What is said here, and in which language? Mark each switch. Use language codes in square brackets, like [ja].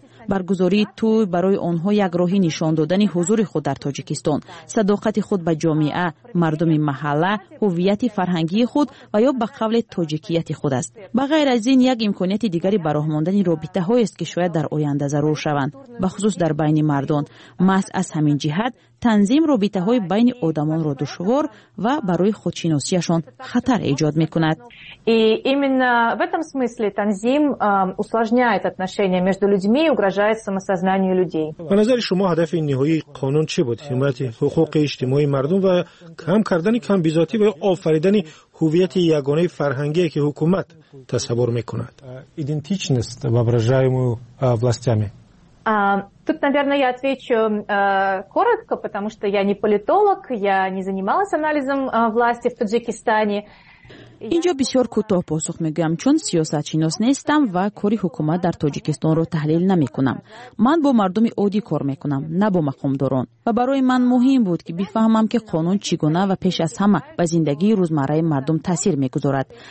[fa] برگزاری توی برای آنها یک راهی نشان دادن حضور خود در تاجیکستان، صداقت خود به جامعه، مردم محله، هویت فرهنگی خود و یا به قول تاجیکیت خود است. به غیر از این یک امکانیت دیگری برای ماندن رابطه هایی است که شاید در آینده ضرور شوند، به خصوص در بین مردان. محض از همین جهت تنظیم رابطه های بین آدمان را دشوار و برای خودشناسیشان خطر ایجاد می کند. [ru] Именно в этом смысле танзим усложняет отношения между людьми и угрожает самосознанию людей. По нашему шумо [fa] هدف نهایی قانون چی بود؟ حمایت حقوق اجتماعی مردم و کم کردن کم بیزاتی و آفریدن هویت یگانه فرهنگی که حکومت تصور میکند. [ru] Идентичность воображаемую властями. Тут, наверное, я отвечу коротко, потому что я не политолог, я не занималась анализом власти в Таджикистане. [fa] اینجا بسیار کوتاه پاسخ میگم چون سیاستشناس نیستم و کاری حکومت در تاجیکستان رو تحلیل نمی کنم. من با مردم عادی کار میکنم، نه با مقامداران. و برای من مهم بود که بفهمم که قانون چگونه و پیش از همه به زندگی روزمره مردم تاثیر میگذارد.